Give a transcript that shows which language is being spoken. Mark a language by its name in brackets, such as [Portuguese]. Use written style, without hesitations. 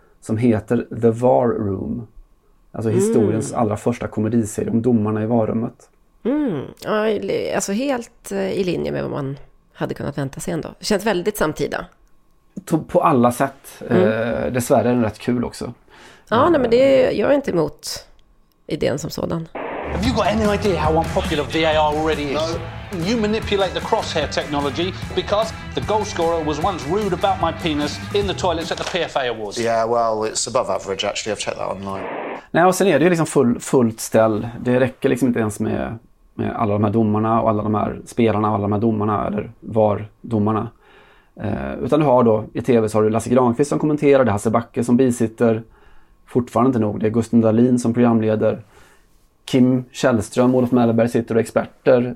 [Swedish] Som heter The War Room. Alltså historiens allra första komediserie om domarna i varummet. Ja, alltså helt i linje med vad man hade kunnat vänta sig ändå. Det känns väldigt samtida. På alla sätt. Dessvärre är den rätt kul också. Ja, nej, men det gör jag inte emot idén som sådan. [English] Have you got any idea how unpopular VAR already is? No. You manipulate the crosshair technology because the goal scorer was once rude about my penis in the toilets at the PFA Awards. Yeah, well, it's above average actually. I've checked that online. [Swedish] Nej, och sen är det ju liksom fullt ställ. Det räcker liksom inte ens med alla de här domarna och alla de här spelarna och alla de här domarna eller var domarna. Utan du har då, i tv så har du Lasse Granqvist som kommenterar, det är Hasse Backe som bisitter. Fortfarande inte nog, det är Gusten Dahlin som programleder. Kim Källström, Olof Mellberg sitter och experter.